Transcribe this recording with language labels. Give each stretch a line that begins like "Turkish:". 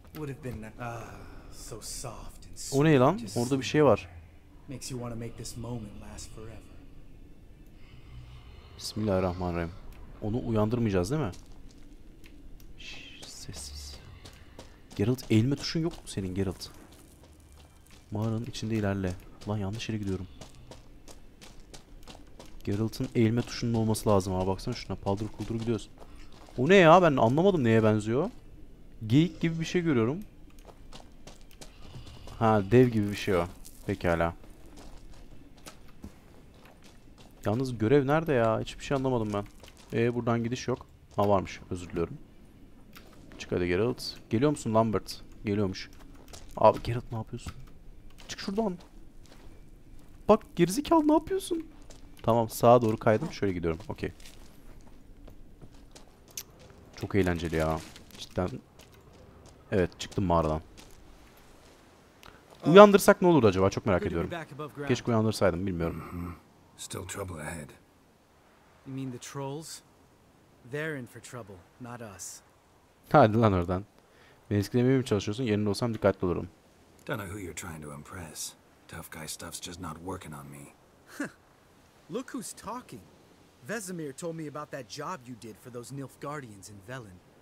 English: Would have been so soft and sweet.
Turkish: O ne lan? Orada bir şey var.
English: Makes you want to make this moment last forever.
Turkish: Bismillahirrahmanirrahim. Onu uyandırmayacağız değil mi? Sessiz. Geralt, eğilme tuşun yok mu senin Geralt? Mağaranın içinde ilerle. Lan yanlış yere gidiyorum. Geralt'ın eğilme tuşunun olması lazım abi, baksana şuna. Paldır kuldur gidiyoruz. O ne ya, ben anlamadım neye benziyor. Geyik gibi bir şey görüyorum. Ha, dev gibi bir şey o. Pekala. Yalnız görev nerede ya? Hiçbir şey anlamadım ben. Buradan gidiş yok. Ha varmış, özür diliyorum. Çık hadi Geralt. Geliyor musun Lambert? Geliyormuş. Abi Geralt ne yapıyorsun? Çık şuradan. Bak gerizekalı ne yapıyorsun? Tamam sağa doğru kaydım. Şöyle gidiyorum. Okey. Çok eğlenceli ya. Cidden. Evet çıktım mağaradan. Uyandırsak ne olurdu acaba? Çok merak ediyorum. Keşke uyandırsaydım. Bilmiyorum.
English: Still trouble ahead. You mean the trolls? They're in for trouble, not us.
Turkish: Hadi lan oradan. Beni etkilemeye mi çalışıyorsun? Yerinde olsam dikkatli olurum.
English: Don't know who you're trying to impress. Tough guy stuff's just not working on me. Look who's talking. Vesemir told me about that job you did for those Nilfgaardians in Velen.